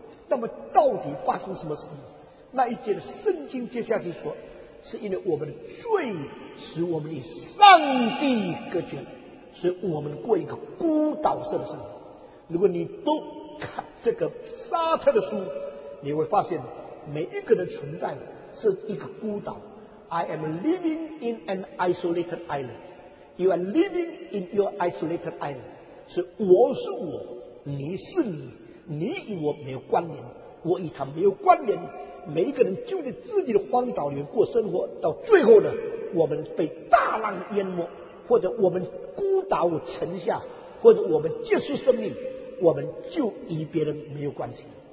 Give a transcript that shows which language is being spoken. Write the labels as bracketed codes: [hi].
[zh] 那么到底发生什么事？那一节的圣经接下去说，是因为我们的罪使我们与上帝隔绝，所以我们过一个孤岛式的生活。如果你都看这个沙特的书，你会发现每一个人存在是一个孤岛。 [en] I am living in an isolated island. You are living in your isolated island. [zh] 是我是我，你是你，你与我没有关联，我与他没有关联。每一个人就在自己的荒岛里面过生活，到最后呢，我们被大浪淹没，或者我们孤岛沉下，或者我们结束生命，我们就与别人没有关系。